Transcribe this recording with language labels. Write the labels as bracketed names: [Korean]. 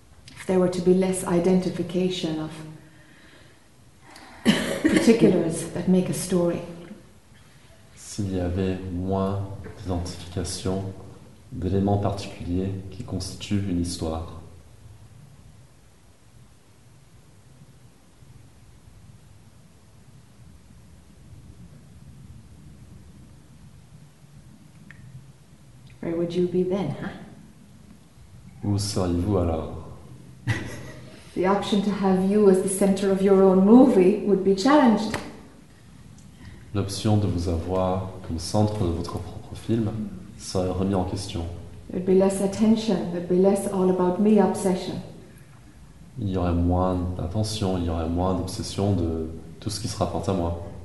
[English] If there were to be less identification of particulars that make a story. [French] S'il y avait moins d'identification d'éléments particuliers qui constituent une histoire. [English] Where would you be then, huh? [French] Où seriez-vous alors? [English] The option to have you as the center of your own movie would be challenged. [French] l'option de vous avoir comme centre de votre propre film serait remise en question. [English] There'd be less attention, there'd be less all about me obsession. [French] Il y aurait moins d'attention, il y aurait moins d'obsession de tout ce qui se rapporte à moi.